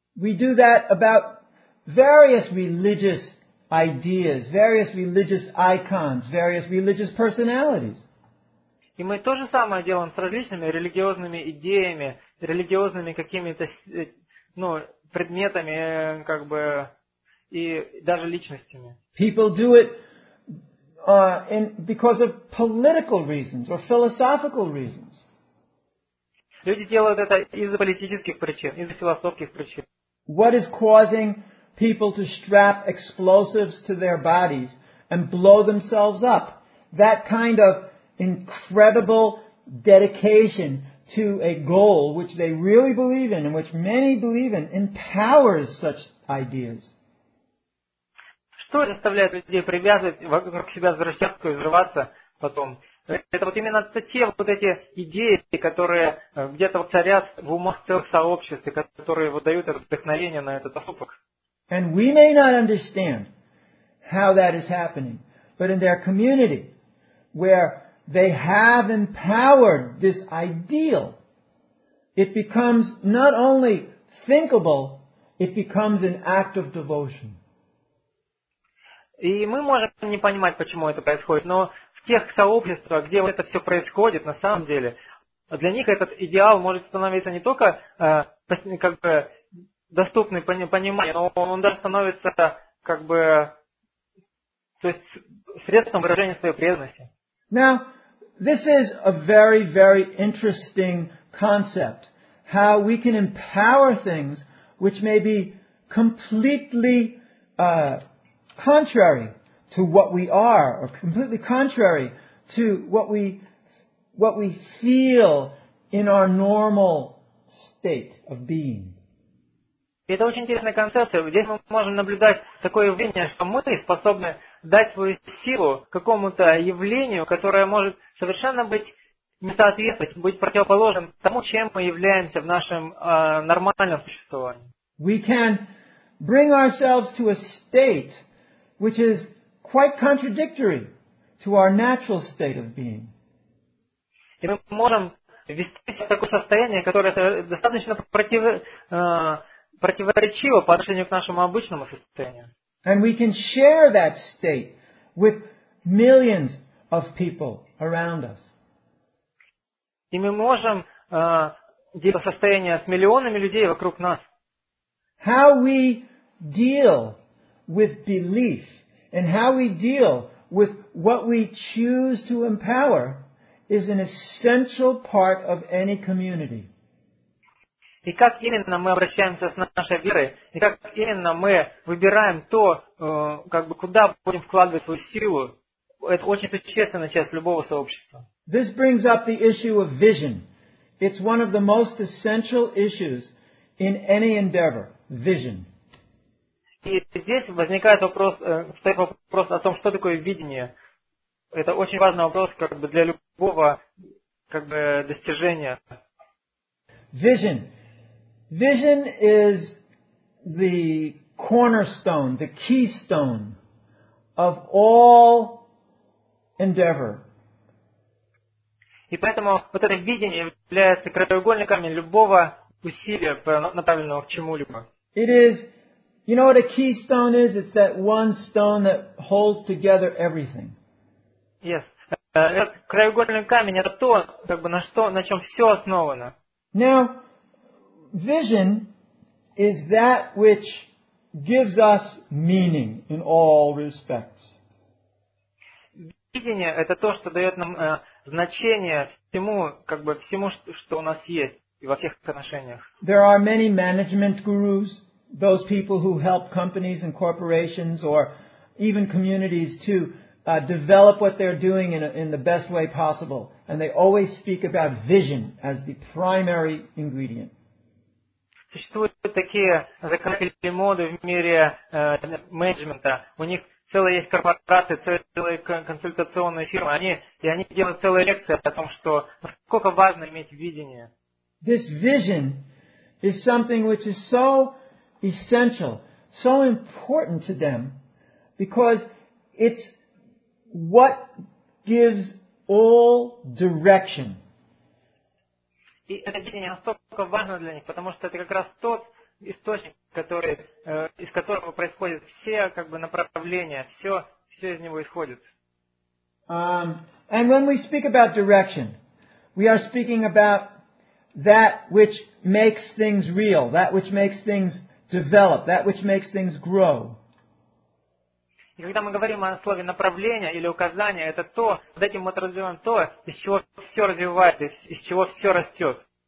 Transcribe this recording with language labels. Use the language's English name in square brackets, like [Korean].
[English] We do that about various religious ideas, various religious icons, various religious personalities. [Russian] И мы то же самое делаем с различными религиозными идеями, религиозными какими-то ну, предметами, как бы, и даже личностями. [English] People do it because of political reasons or philosophical reasons. [Russian] Люди делают это из-за политических причин, из-за философских причин. [English] What is causing people to strap explosives to their bodies and blow themselves up? That kind of incredible dedication to a goal which they really believe in and which many believe in empowers such ideas. [Russian] Что заставляет людей привязывать вокруг себя взрывчатку и взрываться потом? Это вот именно те вот эти идеи, которые где-то вот царят в умах целых сообществ, которые вот дают это вдохновение на этот поступок. [English] And we may not understand how that is happening, but in their community, where they have empowered this ideal, it becomes not only thinkable, it becomes an act of devotion. [Russian] И мы можем не понимать, почему это происходит, но в тех сообществах, где это все происходит, на самом деле, для них этот идеал может становиться не только как бы доступным пониманием, но он даже становится как бы, то есть средством выражения своей преданности. [English] Now, this is a very, very interesting concept, how we can empower things which may be completely contrary to what we are, or completely contrary to what we feel in our normal state of being. [Russian] Это очень интересная концепция, где мы можем наблюдать такое явление, что мы способны дать свою силу какому-то явлению, которое может совершенно быть не соответствовать, быть противоположным тому, чем мы являемся в нашем нормальном существовании. [English] We can bring ourselves to a state which is quite contradictory to our natural state of being. [Russian] И мы можем ввести себя в такое состояние, которое достаточно противоречиво по отношению к нашему обычному состоянию. [English] And we can share that state with millions of people around us. [Russian] И мы можем делиться состояние с миллионами людей вокруг нас. [English] How we deal with belief and how we deal with what we choose to empower is an essential part of any community. [Russian] И как именно мы обращаемся с нашей верой, и как именно мы выбираем то, как бы куда будем вкладывать свою силу, это очень существенная часть любого сообщества. [English] This brings up the issue of vision. It's one of the most essential issues in any endeavor. Vision. [Russian] И здесь возникает вопрос, стоит вопрос о том, что такое видение. Это очень важный вопрос, как бы для любого, как бы достижения. [English] Vision. Vision is the cornerstone, the keystone of all endeavor. [Russian] И поэтому вот это видение является краеугольным камнем любого усилия, направленного к чему-либо. [English] It is, you know what a keystone is? It's that one stone that holds together everything. Yes. [Russian] Этот краеугольный камень — это то, как бы, на чем все основано. [English] Now, vision is that which gives us meaning in all respects. [Russian] Видение — это то, что дает нам значение всему, как бы всему, что у нас есть во всех отношениях. [English] There are many management gurus, those people who help companies and corporations or even communities to develop what they're doing in the best way possible. And they always speak about vision as the primary ingredient. [Russian] Существуют такие законодатели моды в мире менеджмента. У них целые есть корпорации, целые консультационные фирмы. И они делают целые лекции о том, что насколько важно иметь видение. [English] This vision is something which is so essential, so important to them, because it's what gives all direction. [Russian] И это видение настолько важно для них, потому что это как раз тот источник, который, из которого происходят все как бы направления, все из него исходит. [English] And when we speak about direction, we are speaking about that which makes things real, that which makes things develop, that which makes things grow. [Russian] И когда мы говорим о слове направление или указание, это то, под этим мы подразумеваем то, из чего все развивается, из чего все растет.